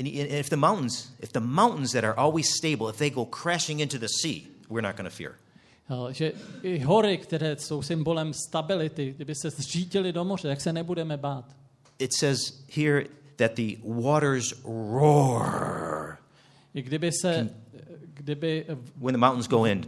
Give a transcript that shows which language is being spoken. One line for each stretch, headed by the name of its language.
English: And if the mountains that are always stable, if they go crashing into the sea, we're not going to fear.
Czech: Že i hory, které jsou symbolem stability, kdyby se zřítily do moře, tak se nebudeme bát.
English: It says here that the waters roar. When the mountains go in,